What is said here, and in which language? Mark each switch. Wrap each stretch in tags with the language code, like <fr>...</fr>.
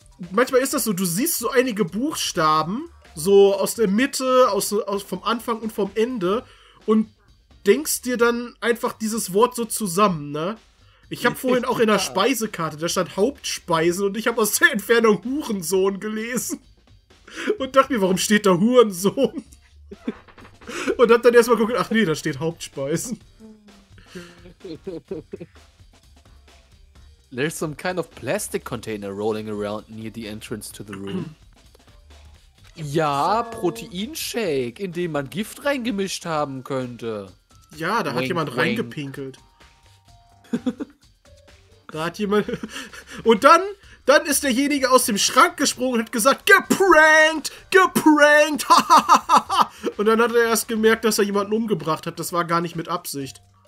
<de>Manchmal ist das so, du siehst so einige Buchstaben, so aus der Mitte, aus vom Anfang und vom Ende und denkst dir dann einfach dieses Wort so zusammen, ne? Ich hab vorhin auch in der Speisekarte, da stand Hauptspeise und ich hab aus der Entfernung Hurensohn gelesen. Und dachte mir, warum steht da Hurensohn? Und hab dann erstmal geguckt, ach nee, da steht Hauptspeisen.</de> <en>There's some kind of plastic container rolling around near the entrance to the room.</en> <de>Ja, Proteinshake, in dem man Gift reingemischt haben könnte. Ja, da hat jemand reingepinkelt. Da hat jemand... Und dann ist derjenige aus dem Schrank gesprungen und hat gesagt, geprankt, geprankt, Und dann hat er erst gemerkt, dass er jemanden umgebracht hat. Das war gar nicht mit Absicht.</de>